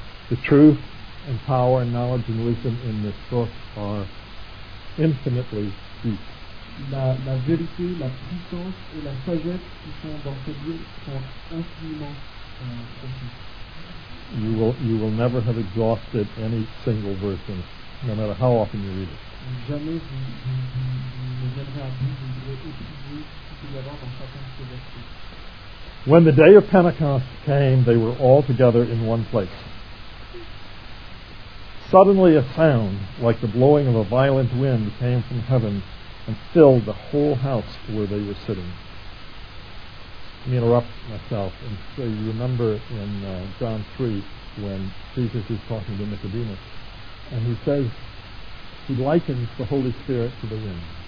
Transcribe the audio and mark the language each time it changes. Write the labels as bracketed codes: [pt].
[en] The truth and power and knowledge and wisdom in this book are infinitely deep. [fr] La vérité, la puissance et la sagesse qui sont dans ce livre sont infiniment profondes. [en] You will never have exhausted any single verse, no matter how often you read it. [fr] Jamais vous ne viendrez à bout de ce qu'il y a dans chacun de ces versets. [en] When the day of Pentecost came, they were all together in one place. Suddenly a sound like the blowing of a violent wind came from heaven and filled the whole house where they were sitting. me interrupt myself and say, you remember in John 3 when Jesus is talking to Nicodemus, and he says, he likens the Holy Spirit to the wind.